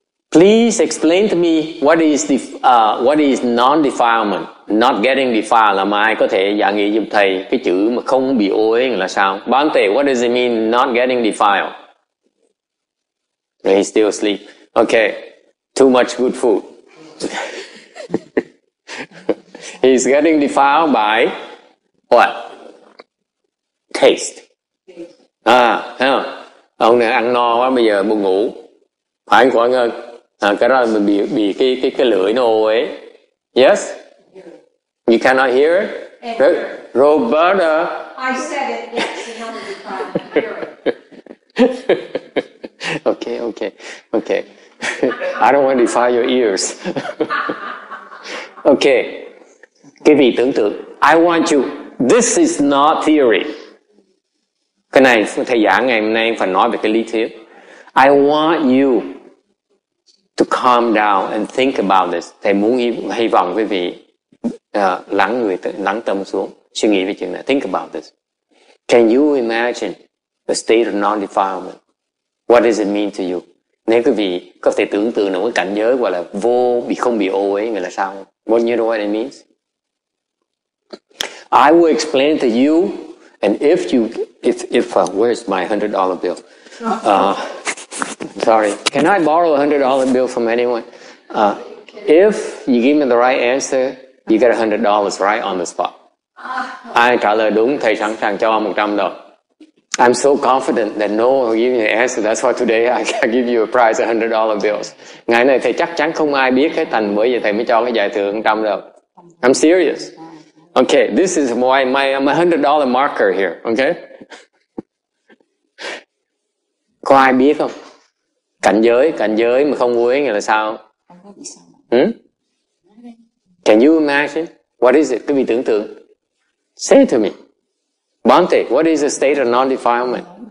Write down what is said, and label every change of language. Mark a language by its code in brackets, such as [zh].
[en] Please explain to me what is non-defilement, not getting defiled. [vi] Làm ai có thể giải nghĩa giúp thầy cái chữ mà không bị ô uế là sao? [en] Bante, what does it mean not getting defiled? He's still asleep. Okay, too much good food. He's getting defiled by what? Taste. [vi] À, thấy không? Ông này ăn no quá bây giờ buồn ngủ. Phải anh khỏi ngơi. À, cái đó mình bị cái lưỡi nó ô ấy. [en] Yes? You cannot hear it? And Roberta. I said it, yes, you know, I'm okay, okay, okay. I don't want to defile your ears. [vi] Okay. Quý vị tưởng tượng. [en] I want you. This is not theory. [vi] Cái này thầy giảng ngày hôm nay phải nói về cái lý thuyết. [en] I want you to calm down and think about this. [vi] Thầy muốn hy vọng quý vị lắng người lắng tâm xuống, suy nghĩ về chuyện này. [en] Think about this. Can you imagine the state of non-defilement? What does it mean to you? [vi] Nếu quý vị có thể tưởng tượng được cái cảnh giới gọi là vô bị không bị ô uế nghĩa là sao? [en] Well, you know what it means? I will explain to you. And if you, where's my $100 bill? Sorry, can I borrow a $100 bill from anyone? If you give me the right answer, you get $100 right on the spot. [vi] Ai trả lời đúng, thầy sẵn sàng cho ông $100. [en] I'm so confident that no one will give me the answer. That's why today I give you a prize, $100 bills. [vi] Ngày này thầy chắc chắn không ai biết hết thành bởi vì thầy mới cho cái giải thưởng $100. [en] I'm serious. Okay, this is my $100 marker here, okay? [vi] Có ai biết không? Cảnh giới mà không uế nghĩa là sao? [en] Can you imagine? What is it? [vi] Quý vị tưởng tượng. [en] Say it to me. Bante, what is the state of non-defilement?